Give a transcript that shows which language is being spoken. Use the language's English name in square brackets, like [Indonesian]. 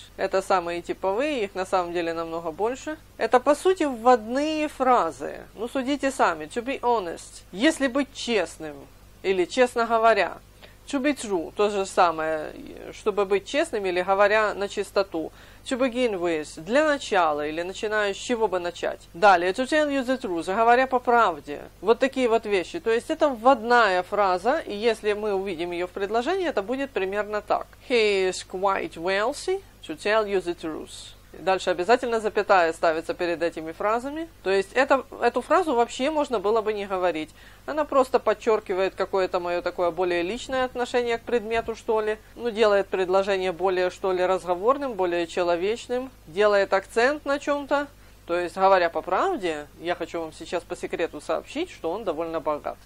[Russian] Это самые типовые, их на самом деле намного больше. Это, по сути, вводные фразы. Ну, судите сами. [English] To be honest. [Russian] Если быть честным. или честно говоря. [English] To be true, [Russian] то же самое, чтобы быть честным или говоря на чистоту. [English] To begin with, [Russian] для начала или начиная с чего бы начать. Далее, [English] to tell you the truth, [Russian] говоря по правде. Вот такие вот вещи. То есть это вводная фраза, и если мы увидим ее в предложении, это будет примерно так. [English] He is quite wealthy, to tell you the truth. [Russian] Дальше обязательно запятая ставится перед этими фразами. То есть эту фразу вообще можно было бы не говорить. Она просто подчеркивает какое-то мое такое более личное отношение к предмету, что ли. Ну, делает предложение более, что ли, разговорным, более человечным. Делает акцент на чем-то. То есть, говоря по правде, я хочу вам сейчас по секрету сообщить, что он довольно богат.